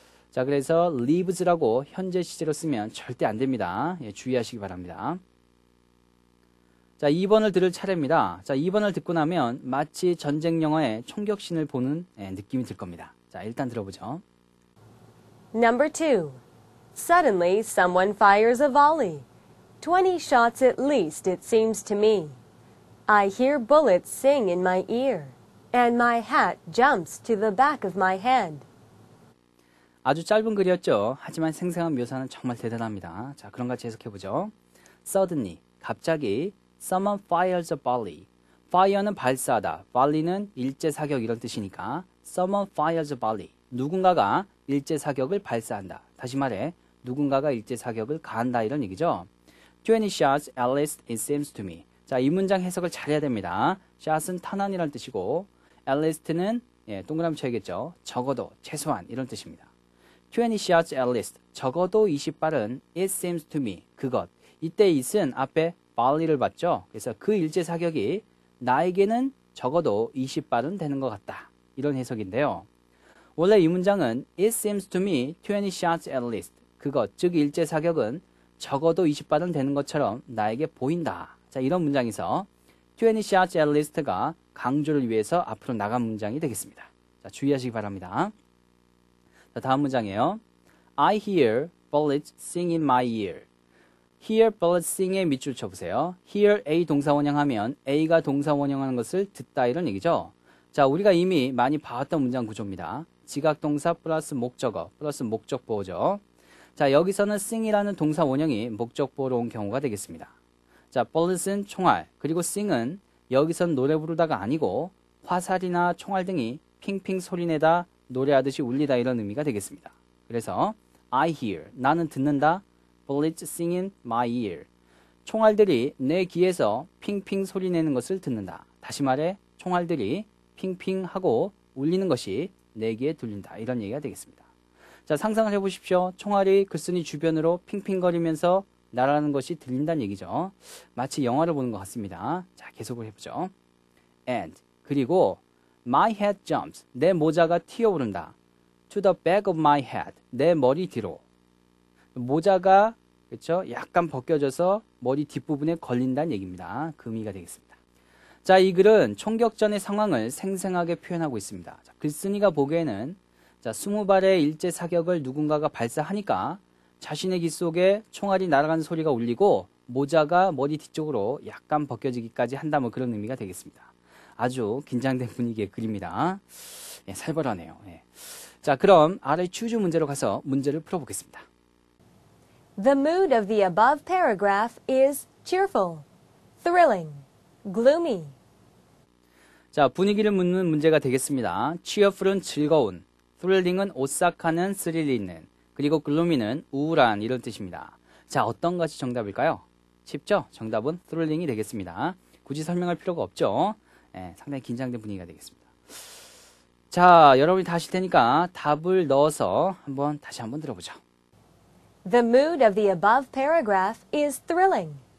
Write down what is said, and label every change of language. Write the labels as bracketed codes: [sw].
[ko] 자, 그래서 leaves라고 현재 시제로 쓰면 절대 안 됩니다. 예, 주의하시기 바랍니다. 자, 2번을 들을 차례입니다. 자, 2번을 듣고 나면 마치 전쟁 영화의 총격씬을 보는 느낌이 들 겁니다. 자, 일단 들어보죠. [en] Number two. Suddenly, someone fires a volley. 20 shots at least, it seems to me. I hear bullets sing in my ear, and my hat jumps to the back of my head. [ko] 아주 짧은 글이었죠. 하지만 생생한 묘사는 정말 대단합니다. 자, 그런가 해석해 보죠. Suddenly, 갑자기 [en] Someone fires a volley. [ko] fire는 발사하다, volley는 일제사격 이런 뜻이니까 [en] someone fires a volley, [ko] 누군가가 일제사격을 발사한다. 다시 말해, 누군가가 일제사격을 가한다 이런 얘기죠. [en] 20 shots at least it seems to me. [ko] 자, 이 문장 해석을 잘해야 됩니다. shots은 탄환이라는 뜻이고 at least는 예, 동그라미 쳐야겠죠. 적어도, 최소한 이런 뜻입니다. [en] 20 shots at least, [ko] 적어도 20발은 [en] it seems to me, [ko] 그것. 이때 it은 앞에 volley를 봤죠. 그래서 그 일제사격이 나에게는 적어도 20발은 되는 것 같다. 이런 해석인데요. 원래 이 문장은 [en] it seems to me 20 shots at least, [ko] 그것, 즉 일제사격은 적어도 20발은 되는 것처럼 나에게 보인다. 자, 이런 문장에서 [en] 20 shots at least [ko] 가 강조를 위해서 앞으로 나간 문장이 되겠습니다. 자, 주의하시기 바랍니다. 자, 다음 문장이에요. [en] I hear bullets sing in my ear. Hear bullets sing [ko] 에 밑줄 쳐보세요. Hear A 동사원형하면 A가 동사원형하는 것을 듣다 이런 얘기죠. 자, 우리가 이미 많이 봐왔던 문장 구조입니다. 지각동사 플러스 목적어 플러스 목적보호죠. 자, 여기서는 sing이라는 동사원형이 목적보호로 온 경우가 되겠습니다. 자, bullets은 총알, 그리고 sing은 여기선 노래 부르다가 아니고 화살이나 총알 등이 핑핑 소리내다 노래하듯이 울리다 이런 의미가 되겠습니다. 그래서 I hear, 나는 듣는다. [en] Bullets sing in my ear. [ko] 총알들이 내 귀에서 핑핑 소리내는 것을 듣는다. 다시 말해 총알들이 핑핑하고 울리는 것이 내 귀에 들린다. 이런 얘기가 되겠습니다. 자, 상상을 해보십시오. 총알이 글쓴이 주변으로 핑핑거리면서 나라는 것이 들린다는 얘기죠. 마치 영화를 보는 것 같습니다. 자, 계속을 해보죠. And, 그리고 [en] My head jumps, [ko] 내 모자가 튀어오른다. [en] To the back of my head, [ko] 내 머리 뒤로. 모자가, 그렇죠? 약간 벗겨져서 머리 뒷부분에 걸린다는 얘기입니다. 그 의미가 되겠습니다. 자, 이 글은 총격전의 상황을 생생하게 표현하고 있습니다. 자, 글쓴이가 보기에는 자, 20발의 일제사격을 누군가가 발사하니까 자신의 귀 속에 총알이 날아가는 소리가 울리고 모자가 머리 뒤쪽으로 약간 벗겨지기까지 한다, 뭐 그런 의미가 되겠습니다. 아주 긴장된 분위기의 글입니다. 예, 살벌하네요. 예. 자, 그럼 아래 추주 문제로 가서 문제를 풀어보겠습니다. [en] The mood of the above paragraph is cheerful, thrilling, gloomy. [ko] 자, 분위기를 묻는 문제가 되겠습니다. cheerful은 즐거운, thrilling은 오싹하는 스릴 있는, 그리고 gloomy는 우울한 이런 뜻입니다. 자, 어떤 것이 정답일까요? 쉽죠? 정답은 thrilling이 되겠습니다. 굳이 설명할 필요가 없죠. 예, 상당히 긴장된 분위기가 되겠습니다. 자, 여러분이 다 하실 테니까 답을 넣어서 한번 다시 한번 들어보죠. [en] The mood of the above paragraph is thrilling.